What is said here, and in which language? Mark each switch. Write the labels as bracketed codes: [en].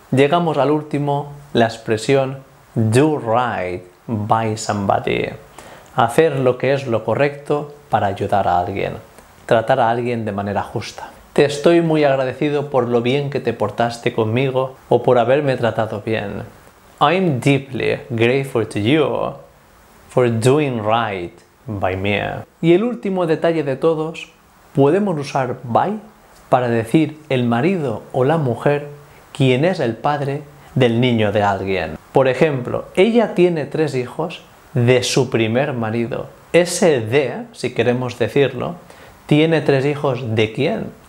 [es] Llegamos al último, la expresión [en] do right by somebody. [es] Hacer lo que es lo correcto para ayudar a alguien. Tratar a alguien de manera justa. Te estoy muy agradecido por lo bien que te portaste conmigo o por haberme tratado bien. [en] I'm deeply grateful to you for doing right by me. [es] Y el último detalle de todos, podemos usar by para decir el marido o la mujer quien es el padre del niño de alguien. Por ejemplo, ella tiene 3 hijos de su primer marido. Ese de, si queremos decirlo, ¿tiene 3 hijos de quién?